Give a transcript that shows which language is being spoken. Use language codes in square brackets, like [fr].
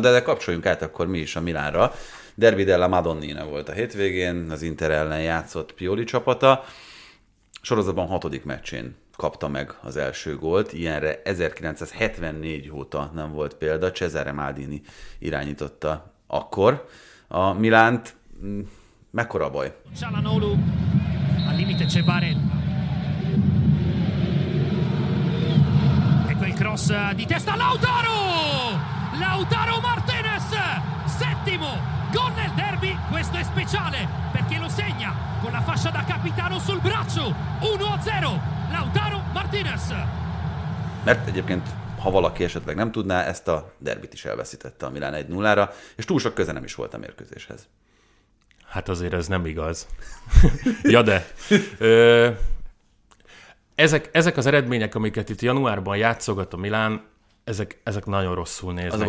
[hu] De kapcsoljunk át akkor mi is a Milánra. Derby della Madonnina volt a hétvégén, az Inter ellen játszott Pioli csapata. Sorozatban 6. meccsén kapta meg az első gólt. Ilyenre 1974 óta nem volt példa. Cesare Maldini irányította akkor a Milánt. Mekkora a baj? [it] Calhanoglu, al limite c'è Barella. E quel cross di testa, Lautaro! Lautaro Martinez, settimo gol nel derby. Questo è speciale perché lo segna con la fascia da capitano sul braccio. 1-0. Lautaro Martinez. [hu] Mert egyébként, ha valaki esetleg nem tudná, ezt a derbit is elveszítette a Milán 1-0-ra, és túl sok köze nem is volt a mérkőzéshez. Hát azért ez nem igaz. Ja de. Ezek az eredmények, amiket itt januárban játszogat a Milán, ezek nagyon rosszul néznek